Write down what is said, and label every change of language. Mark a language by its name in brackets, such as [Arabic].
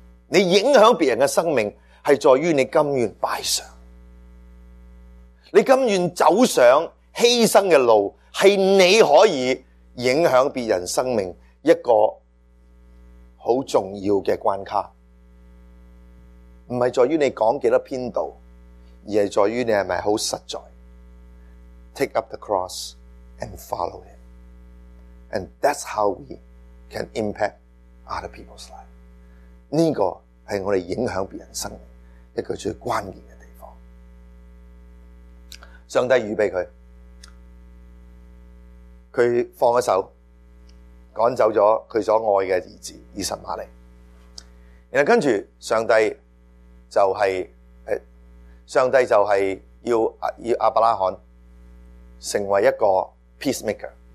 [Chinese] 你影响别人的生命是在于你甘愿摆上，你甘愿走上牺牲的路，是你可以影响别人生命一个很重要的关卡。不是在于你讲多少篇道，而是在于你是不是很实在。 [English] Take up the cross and follow it. And that's how we can impact other people's life. [Chinese] 这个是我们影响别人生命一个最关键的地方。上帝预备他，他放了手赶走了他所爱的儿子以实玛利，然后跟着上帝就是要亚伯拉罕成为一个 peacemaker。